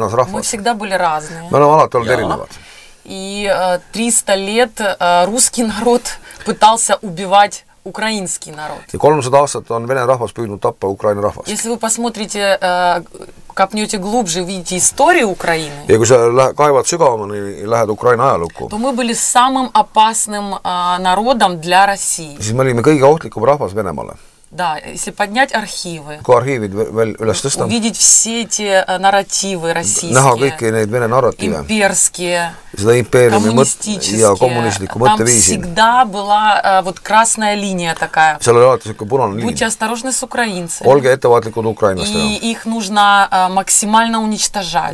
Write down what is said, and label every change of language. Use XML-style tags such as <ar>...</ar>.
<ru>Мы всегда были разные. И 300 лет русский народ пытался убивать украинский народ.</ru> <et>И 300 aastat on Vene rahvas püüdnud tappa Ukraina rahvast.</et> <ru>Если вы посмотрите, копнете глубже, видите историю Украины.</ru> <et>Ja kui sa kaevad sügavamani ja lähed Ukraina ajalukku.</et> <ru>То мы были самым опасным народом для России.</ru> <et>Siis me olime kõige ohtlikum rahvas Venemaale.</et> <ru>Да, если поднять архивы.</ru> <et>Kui arhiivid veel üles tõsta.</et> <ru>Увидеть все эти нарративы российские.</ru> <et>Näha kõiki neid Vene narratiive.</et> <ru>Imperские.</ru> <et>Seda impeeriumi mõtteviisi. Kommunistliku mõtteviisi.</et> <ru>Там всегда была вот красная линия такая.</ru> <et>Seal oli alati selline punane</et> <ru>liin. Будьте осторожны с украинцами.</ru> <et>Olge ettevaatlikud ukrainlastega.</et> <ru>И их нужно максимально уничтожать.</ru>